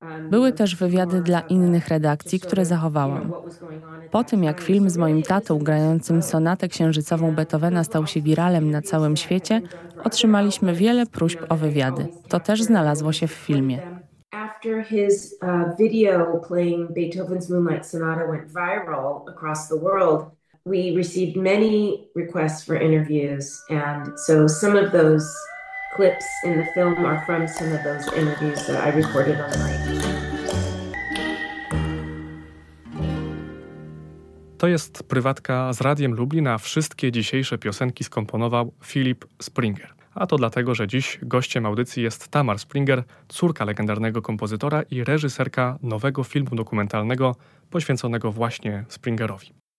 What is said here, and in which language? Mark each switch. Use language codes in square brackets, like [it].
[pl] Były też wywiady dla innych redakcji, które zachowałam. Po tym, jak film z moim tatą grającym sonatę księżycową Beethovena stał się wiralem na całym świecie, otrzymaliśmy wiele próśb o wywiady. To też znalazło się w filmie. [en] After his video playing Beethoven's Moonlight Sonata went viral across the world, we received many requests for interviews, and so some of those clips in the film are from some of those interviews that I recorded online. [pl] To jest prywatka z Radiem Lublin, a wszystkie dzisiejsze piosenki skomponował Filip Springer. A to dlatego, że dziś gościem audycji jest Tamar Springer, córka legendarnego kompozytora i reżyserka nowego filmu dokumentalnego poświęconego właśnie Springerowi.